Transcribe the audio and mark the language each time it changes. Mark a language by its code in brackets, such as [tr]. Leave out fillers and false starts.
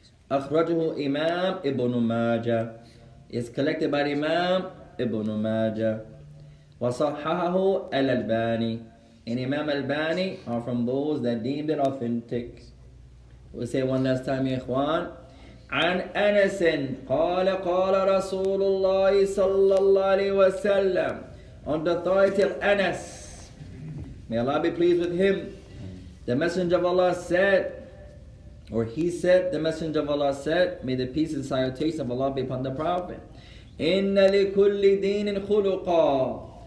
[ar] أخرجه إمام ابن ماجة. [en] It's collected by Imam Ibn Majah. [ar] وصححه الألباني. [en] And Imam Albani are from those that deemed it authentic. We'll say one last time, إخوان. [ar] عن أنس قال قال رسول الله صلى الله عليه وسلم. [en] On the authority of Anas, may Allah be pleased with him, the Messenger of Allah said, or he said, the Messenger of Allah said, may the peace and salutation of Allah be upon the Prophet. [ar] إِنَّ لِكُلِّ دِينٍ خُلُقًا.